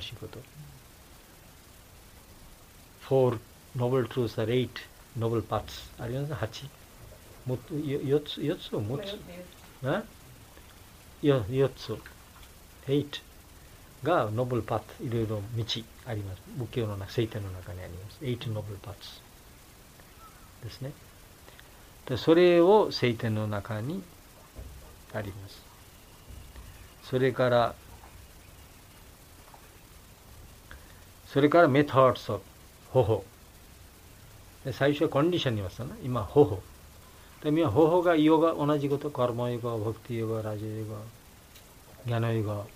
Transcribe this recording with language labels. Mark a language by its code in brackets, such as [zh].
[ja] 詳しいこと、 [en] 4 noble truths are 8 noble paths [ja] あります、ね、8 4つ4つ8が noble path、 いろいろ道あります。仏教の中、聖典の中にあります。 8 noble paths ですね。で、それを聖典の中にあります。それからmethods of 方法。で、最初はコンディションにいますよね。今は方法。で、今は方法がヨガ、同じこと、カルマヨガ、ボクティヨガ、ラジヨガ、ギャナヨガ。